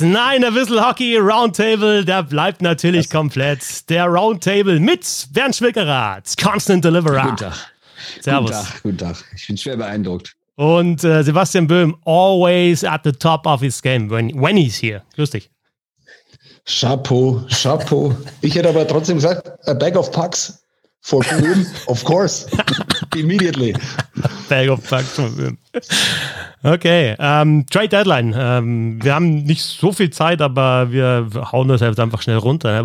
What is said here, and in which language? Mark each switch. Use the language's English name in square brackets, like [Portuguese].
[German] Nein, der Whistle Hockey Roundtable, der bleibt natürlich komplett. Der Roundtable mit Bernd Schwickerath, Constant Deliverer. Guten Tag. Servus. Guten Tag. Ich bin schwer beeindruckt. [English] Und Sebastian Böhm, always at the top of his game, when he's here. [German] Grüß dich. Chapeau. Ich hätte aber trotzdem gesagt, [English] a bag of pucks for Böhm, of course. Immediately. Bag of pucks for Böhm. Okay, Trade Deadline. [German] Wir haben nicht so viel Zeit, aber wir hauen das jetzt einfach schnell runter.